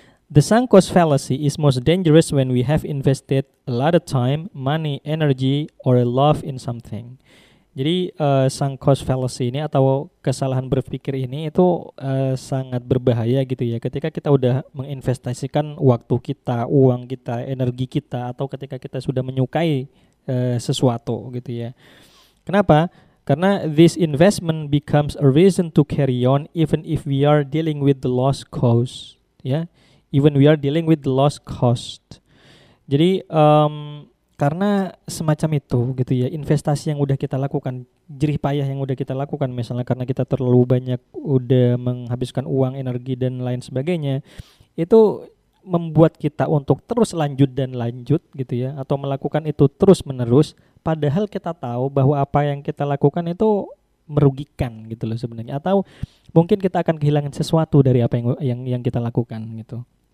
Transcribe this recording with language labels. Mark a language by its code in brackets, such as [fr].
[en] The sunk cost fallacy is most dangerous when we have invested a lot of time, money, energy, or love in something. [id] Jadi sunk cost fallacy ini atau kesalahan berpikir ini itu sangat berbahaya gitu ya. Ketika kita udah menginvestasikan waktu kita, uang kita, energi kita, atau ketika kita sudah menyukai sesuatu gitu ya. Kenapa? Karena [en] this investment becomes a reason to carry on even if we are dealing with the lost cause. Ya, even we are dealing with the lost cost. [id] Jadi karena semacam itu gitu ya, investasi yang udah kita lakukan, jerih payah yang udah kita lakukan misalnya karena kita terlalu banyak udah menghabiskan uang, energi dan lain sebagainya, itu membuat kita untuk terus lanjut dan lanjut gitu ya, atau melakukan itu terus menerus padahal kita tahu bahwa apa yang kita lakukan itu merugikan gitu loh sebenarnya, atau mungkin kita akan kehilangan sesuatu dari apa yang kita lakukan gitu.